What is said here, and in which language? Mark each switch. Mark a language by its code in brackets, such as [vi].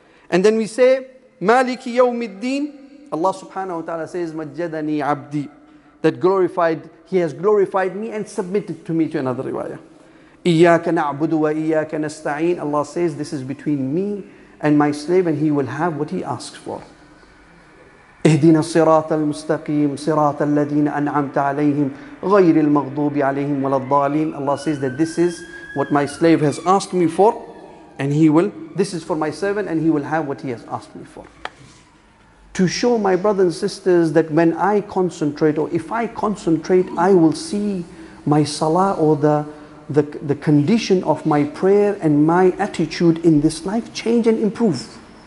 [en] And then we say Maliki Yawm al-Din, Allah subhanahu wa ta'ala says Majjadani abdi, that glorified, he has glorified me and submitted to me, to another riwayah. Iyaka na'budu wa iyaka nasta'in, Allah says this is between me and my slave and he will have what he asks for. [ar] اهدنا الصراط المستقيم صراط الذين أنعمت عليهم غير المغضوب عليهم ولا الضالين. [en] Allah says that this is what my slave has asked me for, and he will, this is for my servant, and he will have what he has asked me for. To show my brothers and sisters that when I concentrate, or if I concentrate, I will see my salah, or the condition of my prayer and my attitude in this life change and improve.